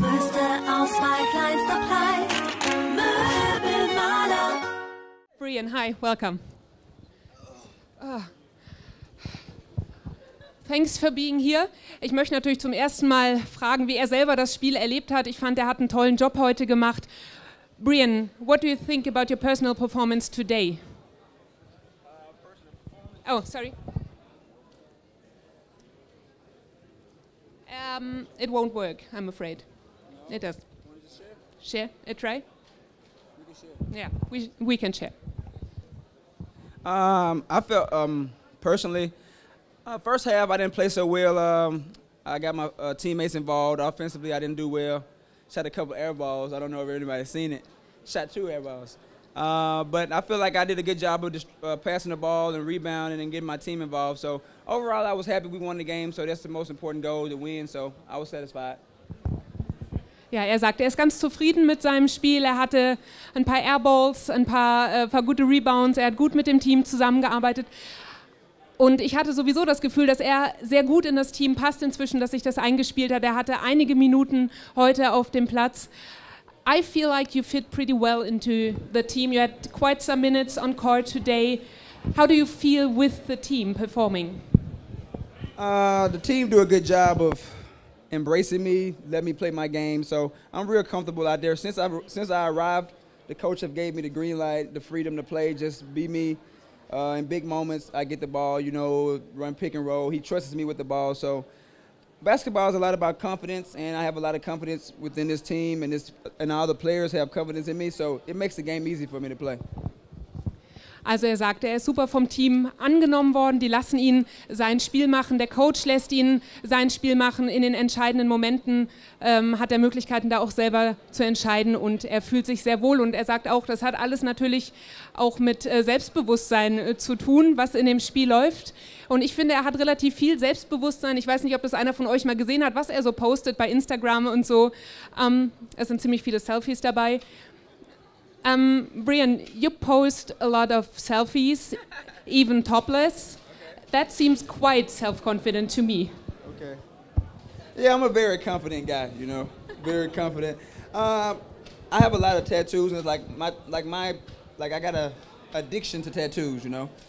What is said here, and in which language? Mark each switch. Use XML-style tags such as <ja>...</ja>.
<de>Größte Auswahl, kleinster Preis, Möbelmaler.</de> <en>Brian, hi, welcome. Thanks for being here.</en> <de>Ich möchte natürlich zum ersten Mal fragen, wie er selber das Spiel erlebt hat. Ich fand, er hat einen tollen Job heute gemacht.</de> <en>Brian, what do you think about your personal performance today? Oh, sorry. It won't work, I'm afraid. No. It does. Share? A try? We can share. Yeah, we can share. I felt, personally, first half I didn't play so well. I got my teammates involved. Offensively, I didn't do well. Shot a couple air balls. I don't know if anybody's seen it. Shot two air balls. But I feel like I did a good job of just passing the ball and rebounding and getting my team involved. So overall, I was happy we won the game. So that's the most important goal, to win. So I was satisfied.</en> <de>Ja, er sagt, er ist ganz zufrieden mit seinem Spiel. Er hatte ein paar Airballs, ein paar gute Rebounds. Er hat gut mit dem Team zusammengearbeitet. Und ich hatte sowieso das Gefühl, dass er sehr gut in das Team passt inzwischen, dass sich das eingespielt hat. Er hatte einige Minuten heute auf dem Platz.</de> <en>I feel like you fit pretty well into the team. You had quite some minutes on court today. How do you feel with the team performing? The team do a good job of embracing me, let me play my game. So I'm real comfortable out there. Since I arrived, the coach have gave me the green light, the freedom to play, just be me. In big moments, I get the ball, you know, run pick and roll. He trusts me with the ball. So basketball is a lot about confidence, and I have a lot of confidence within this team, and all the players have confidence in me. So it makes the game easy for me to play.</en> <de>Also er sagt, er ist super vom Team angenommen worden. Die lassen ihn sein Spiel machen. Der Coach lässt ihn sein Spiel machen. In den entscheidenden Momenten hat er Möglichkeiten, da auch selber zu entscheiden. Und er fühlt sich sehr wohl. Und er sagt auch, das hat alles natürlich auch mit Selbstbewusstsein zu tun, was in dem Spiel läuft. Und ich finde, er hat relativ viel Selbstbewusstsein. Ich weiß nicht, ob das einer von euch mal gesehen hat, was er so postet bei Instagram und so. Es sind ziemlich viele Selfies dabei.</de> <en>Brian, you post a lot of selfies, even topless. Okay. That seems quite self-confident to me. Okay. Yeah, I'm a very confident guy, you know, very confident. I have a lot of tattoos, and I got an addiction to tattoos, you know.</en>